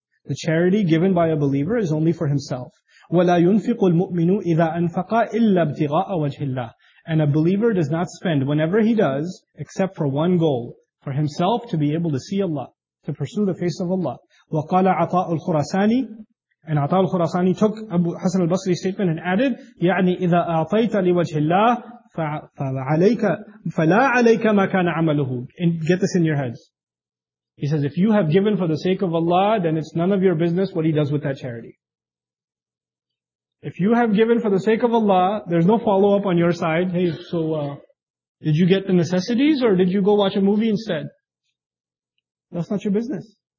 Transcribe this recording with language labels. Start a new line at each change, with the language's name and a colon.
English: The charity given by a believer is only for himself.
Arabic: وَلَا يُنْفِقُ الْمُؤْمِنُ إِذَا أَنْفَقَ إِلَّا ابْتِغَاءَ وَجْهِ اللَّهِ.
English: And a believer does not spend whenever he does, except for one goal, for himself to be able to see Allah, to pursue the face of Allah.
Arabic: وَقَالَ عَطَاءُ الْخُرَسَانِ.
English: And Ata al-Khurasani took Abu Hasan al-Basri's statement and added,
Arabic: يَعْنِي إِذَا أَعْطَيْتَ لِوَجْهِ اللَّهِ فَعَلَيْكَ فَلَا عَلَيْكَ مَا كَانَ عَمَلُهُ.
English: And get this in your heads. He says, if you have given for the sake of Allah, then it's none of your business what he does with that charity. If you have given for the sake of Allah, there's no follow-up on your side. Hey, so did you get the necessities or did you go watch a movie instead? That's not your business.